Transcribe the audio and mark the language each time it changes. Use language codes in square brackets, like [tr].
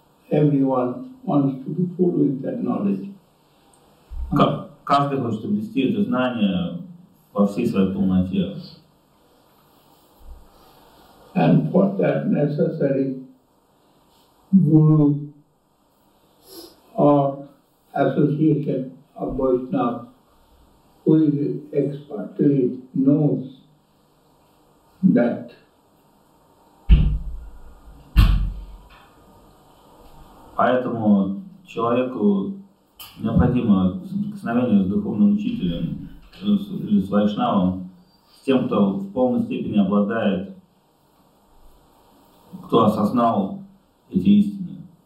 [en] Everyone wants to be full with that knowledge. [ru] Каждый хочет обрести это знание во всей своей полноте. [en] And for that necessary. Guru or association of Vaishnava who is expertly knows that [ru] поэтому человеку необходимо соприкосновение с духовным учителем или с Вайшнавом, с тем, кто в полной степени обладает, кто осознал эти истины.